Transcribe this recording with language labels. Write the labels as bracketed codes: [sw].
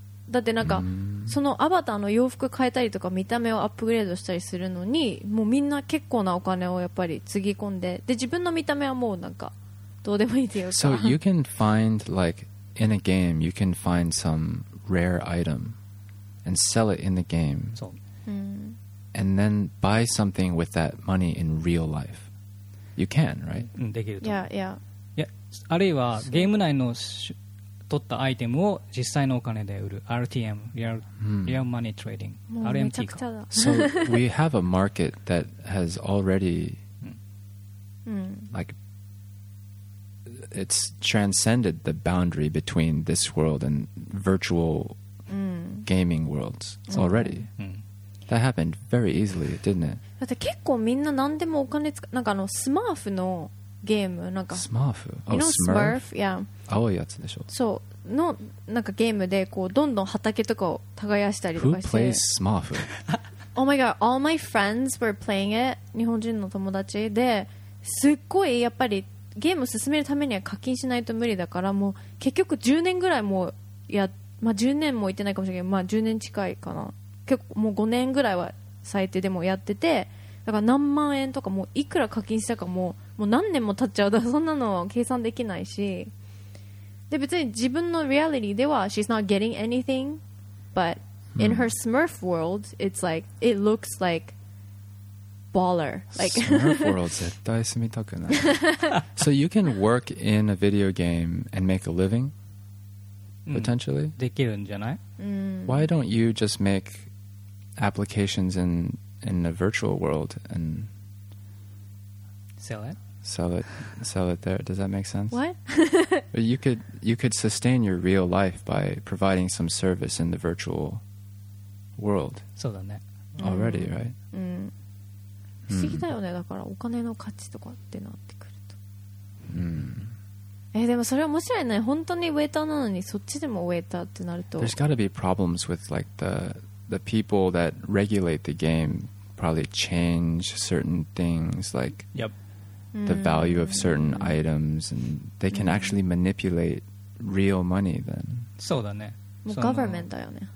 [ja] だってなんかそのアバターの洋服変えたりとか見た目をアップグレードしたりするのに、もうみんな結構なお金をやっぱりつぎ込んで、で自分の見た目はもうなんかどうでもいいっていうか。 [en] So you can find like in a game you can find some rare item and sell it in the game. [ja] そう。 [en] And then buy something with that money in real life. You can, right? [ja] できると思う。 [en] Yeah. [ja] あるいはゲーム内の 取ったアイテムを実際のお金で売る RTM Real Money Trading RMT [en] So we have a market that has already like it's transcended the boundary between this world and virtual gaming worlds already That happened very easily, didn't it? [ja] だって結構みんな何でもお金使う、なんかあのスマーフのゲーム、なんか [en] Smurf? You know Smurf? Yeah [ja] 青いやつでしょ。 So のなんかゲームでこうどんどん畑とかを耕したりとかして。 [en] Who plays Smurf? Oh my god, all my friends were playing it. [ja] 日本人の友達で、すっごいやっぱりゲーム進めるためには課金しないと無理だから、もう結局10年ぐらいもうやまあ、10年も行ってないかもしれないけど、まあ、10年近いかな、結構もう5年ぐらいは最低でもやってて、だから何万円とかもういくら課金したか もう何年も経っちゃうとそんなの計算できないし、で別に自分のリアリティでは [en] She's not getting anything But in her Smurf world It's like It looks like Baller like Smurf world [ja] 絶対住みたくない [en] So you can work in a video game And make a living Potentially、 [ja] うん、できるんじゃない、うん、 [en] Why don't you just make Applications in a virtual world And Sell it? Sell it there. Does that make sense? What? you could sustain your real life by providing some service in the virtual world. [ja] そうだね。 [en] Already, right? [ja] うん。不思議だよね。だからお金の価値とかってなってくると。うん。でもそれは面白いね。本当にウェイターなのにそっちでもウェイターってなると。 [en] There's got to be problems with like the people that regulate the game probably change certain things like. Yep. The value of certain items and they can actually manipulate real money then. [ja] そうだね。もう government だよね。